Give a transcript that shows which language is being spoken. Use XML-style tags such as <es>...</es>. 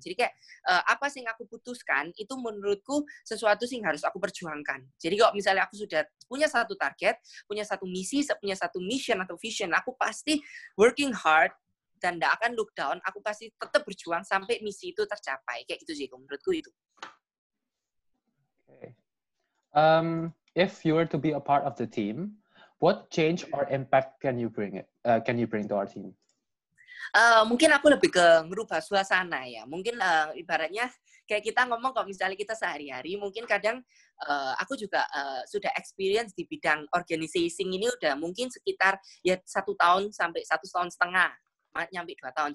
<id>Jadi kayak apa sih yang aku putuskan itu menurutku sesuatu sih yang harus aku perjuangkan. Jadi kalau misalnya aku sudah punya satu target, punya satu misi, punya satu</id> <en>mission atau vision,</en> <id>aku pasti</id> <en>working hard</en> <id>dan enggak akan</id> <en>look down.</en> <id>Aku pasti tetap berjuang sampai misi itu tercapai. Kayak gitu sih menurutku itu.</id> <en>If you were to be a part of the team, what change or impact can you bring it? Can you bring to our team?</en> <id>Mungkin aku lebih ke ngerubah suasana ya. Mungkin ibaratnya kayak kita ngomong kalau misalnya kita sehari-hari, mungkin kadang aku juga sudah experience di bidang organizing ini udah mungkin sekitar ya 1 tahun sampai 1 tahun setengah. Nyampe 2 tahun.</id>